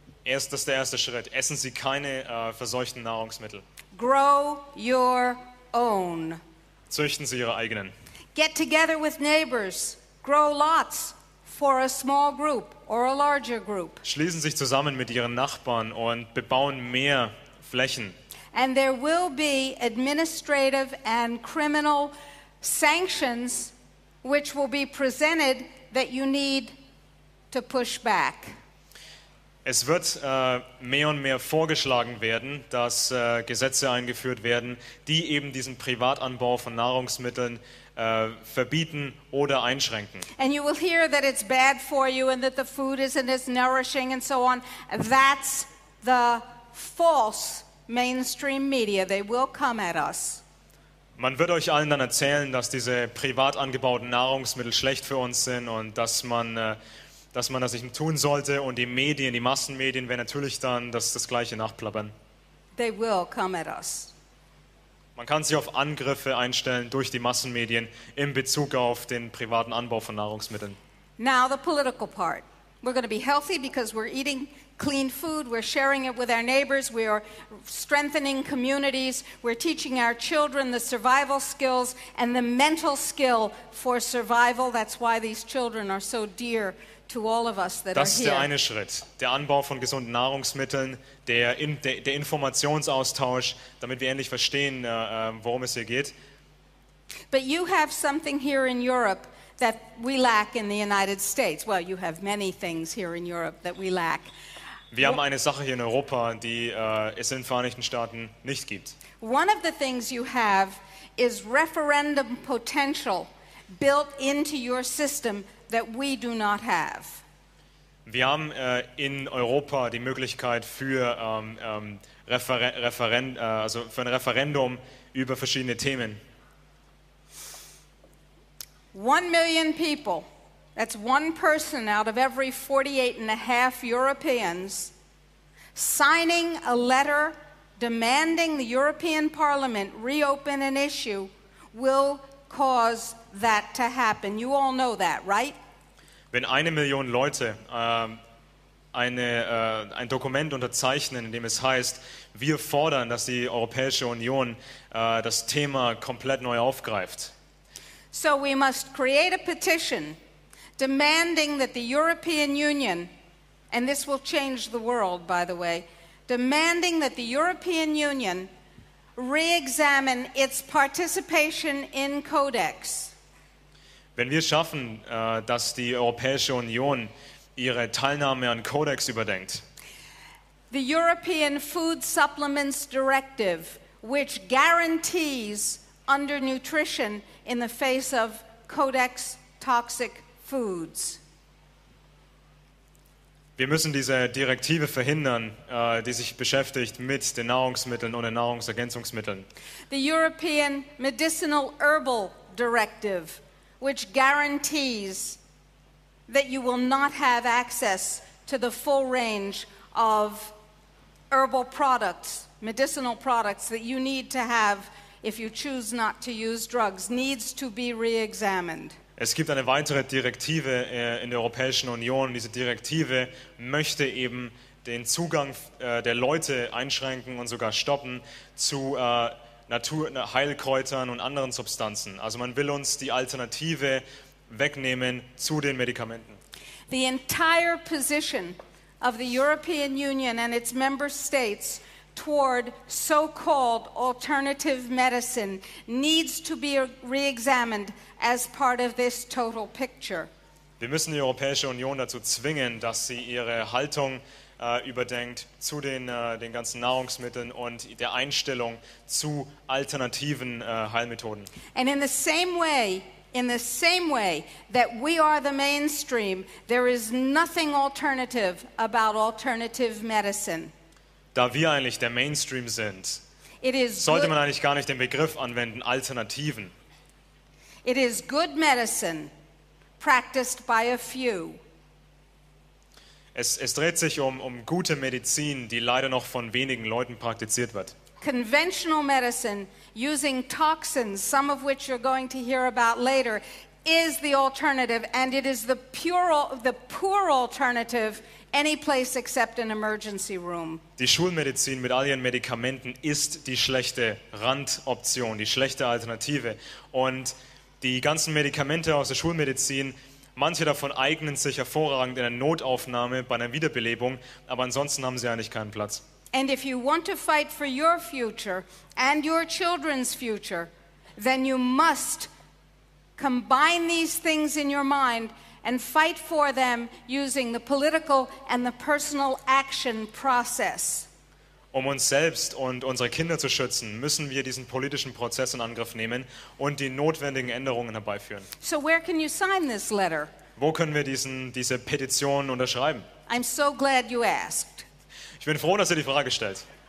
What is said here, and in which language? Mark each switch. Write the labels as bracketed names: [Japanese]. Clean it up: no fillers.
[German] Das ist der erste Schritt. Essen Sie keine verseuchten Nahrungsmittel. [English] Grow your own. [German] Züchten Sie Ihre eigenen. [English] Get together with neighbors. Grow lots for a small group or a larger group. [German] Schließen sich zusammen mit ihren Nachbarn und bebauen mehr Flächen. [English] And there will be administrative and criminal sanctions which will be presented that you need to push back. [German] Es wird mehr und mehr vorgeschlagen werden, dass Gesetze eingeführt werden, die eben diesen Privatanbau von Nahrungsmitteln verbieten oder einschränken. [English] And you will hear that it's bad for you and that the food isn't as nourishing and so on. That's the false mainstream media. They will come at us. [German] Man wird euch allen dann erzählen, dass diese privat angebauten Nahrungsmittel schlecht für uns sind und dass man das nicht tun sollte, und die Medien, die Massenmedien, werden natürlich dann das gleiche nachplappern. [English] They will come at us. [German] Man kann sich auf Angriffe einstellen durch die Massenmedien in Bezug auf den privaten Anbau von Nahrungsmitteln. [English] Now the political part. We're going to be healthy because we're eating clean food, we're sharing it with our neighbors, we are strengthening communities, we're teaching our children the survival skills and the mental skill for survival. That's why these children are so dear to all of us that [German] das Das ist der eine Schritt, der Anbau von gesunden Nahrungsmitteln, der Informationsaustausch, damit wir endlich verstehen, worum es hier geht. [English] But you have something here in Europe that we lack in the United States. Well, you have many things here in Europe that we lack. [German] Wir haben eine Sache hier in Europa, die es in den Vereinigten Staaten nicht gibt. [English] One of the things you have is referendum potential built into your system that we do not have. [German] Wir haben in Europa die Möglichkeit für für ein Referendum über verschiedene Themen. [English] 1 million people, that's one person out of every 48 and a half Europeans, signing a letter demanding the European Parliament reopen an issue will cause that to happen. You all know that, right? [German] Wenn 1 Million Leute ein Dokument unterzeichnen, in dem es heißt, wir fordern, dass die Europäische Union das Thema komplett neu aufgreift. [English] So we must create a petition demanding that the European Union, and this will change the world, by the way, demanding that the European Union re-examine its participation in Codex. [German] Wenn wir schaffen, dass die Europäische Union ihre Teilnahme an Codex überdenkt. [English] The European Food Supplements Directive, which guarantees undernutrition in the face of Codex toxic foods. [German] Wir müssen diese Direktive verhindern, die sich beschäftigt mit den Nahrungsmitteln und den Nahrungsergänzungsmitteln. [English] The European Medicinal Herbal Directive, which guarantees that you will not have access to the full range of herbal products, medicinal products that you need to have if you choose not to use drugs, needs to be re-examined. [German] Es gibt eine weitere Direktive in der Europäischen Union. Diese Direktive möchte eben den Zugang der Leute einschränken und sogar stoppen zu Heilkräutern und anderen Substanzen. Also man will uns die Alternative wegnehmen zu den Medikamenten. [English] The entire position of the European Union and its member states toward so-called alternative medicine needs to be re-examined as part of this total picture. [German] Wir müssen die Europäische Union dazu zwingen, dass sie ihre Haltung überdenkt zu den ganzen Nahrungsmitteln und der Einstellung zu alternativen Heilmethoden. [English] And in the same way that we are the mainstream, there is nothing alternative about alternative medicine. [German] Da wir eigentlich der Mainstream sind, sollte man eigentlich gar nicht den Begriff anwenden, Alternativen. [English] It is good medicine practiced by a few. [German] Es dreht sich um gute Medizin, die leider noch von wenigen Leuten praktiziert wird. [English] Conventional medicine using toxins, some of which you're going to hear about later, is the alternative and it is the poor alternative any place except an emergency room. [German] Die Schulmedizin mit all ihren Medikamenten ist die schlechte Randoption, die schlechte Alternative. Und die ganzen Medikamente aus der Schulmedizin, manche davon eignen sich hervorragend in einer Notaufnahme, bei einer Wiederbelebung, aber ansonsten haben sie eigentlich keinen Platz. [English] And if you want to fight for your future and your children's future, then you must combine these things in your mind and fight for them using the political and the personal action process. [German] Um uns selbst und unsere Kinder zu schützen, müssen wir diesen politischen Prozess in Angriff nehmen und die notwendigen Änderungen herbeiführen. [English] So where can you sign this letter? [German] Wo können wir diese Petition unterschreiben? [English] I'm so glad you asked. [German] Ich bin froh, dass ihr die Frage stellt.